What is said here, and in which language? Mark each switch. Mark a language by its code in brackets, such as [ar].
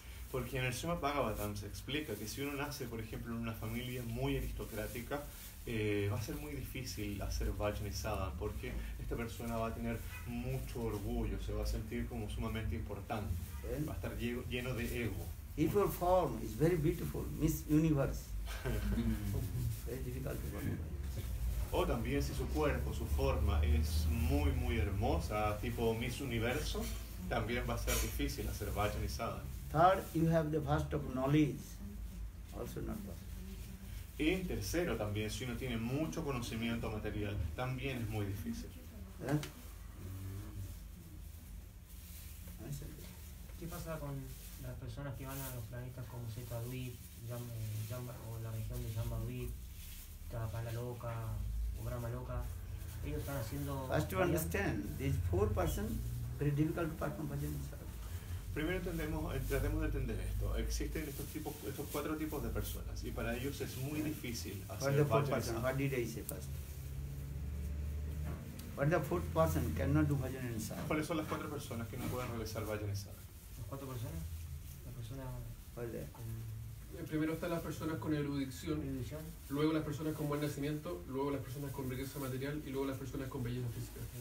[es] Porque en el Srimad Bhagavatam se explica que si uno nace, por ejemplo, en una familia muy aristocrática, va a ser muy difícil hacer Vajnisada, porque esta persona va a tener mucho orgullo, se va a sentir como sumamente importante, va a estar lleno de ego. [en] If your form is very beautiful, Miss Universe, very difficult to perform. [es] O también si su cuerpo, su forma es muy muy hermosa, tipo Miss Universo, también va a ser difícil hacer Vajan y Sadhan. [en] Third, you have the vast of knowledge, also not possible. [es] Y tercero, también, si uno tiene mucho conocimiento material, también es muy difícil. ¿Qué pasa con las personas que van a los planetas como Zeta Dweep, o la región de Jamba Dweep, Tapala Loka, o Brahma Loka? Ellos están haciendo. [en] First, to understand, these four persons. Very difficult to perform bhajan in sadhana. [es] Primero tratemos de entender esto. Existen estos cuatro tipos de personas y para ellos es muy difícil hacer [en] the bhajan in sadhana. What did I say first? What the fourth person cannot do bhajan in sadhana? [es] ¿Cuáles son las cuatro personas que no pueden realizar bhajan in sadhana? ¿Las cuatro personas? ¿Las personas? ¿Cuál de? Primero están las personas con erudición, luego las personas con buen nacimiento, luego las personas con riqueza material y luego las personas con belleza física.